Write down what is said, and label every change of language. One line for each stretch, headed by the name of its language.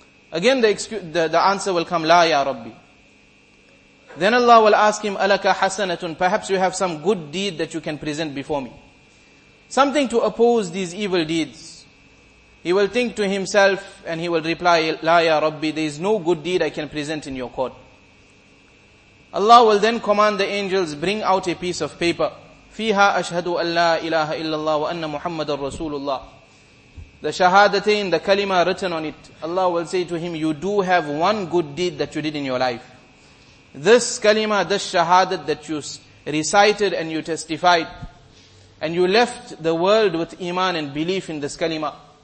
English: Again the answer will come,
Arabic: لا يا ربي.
English: Then Allah will ask him,
Arabic: ألك حسنة,
English: perhaps you have some good deed that you can present before me. Something to oppose these evil deeds. He will think to himself and he will reply,
Arabic: لا يا ربي,
English: there is no good deed I can present in your court. Allah will then command the angels, bring out a piece of paper.
Arabic: فيها أشهد أن لا إله إلا الله وأن محمد رسول الله.
English: The shahadatain, the kalima written on it, Allah will say to him, you do have one good deed that you did in your life. This kalima, this shahadat that you recited and you testified, and you left the world with iman and belief in this kalima.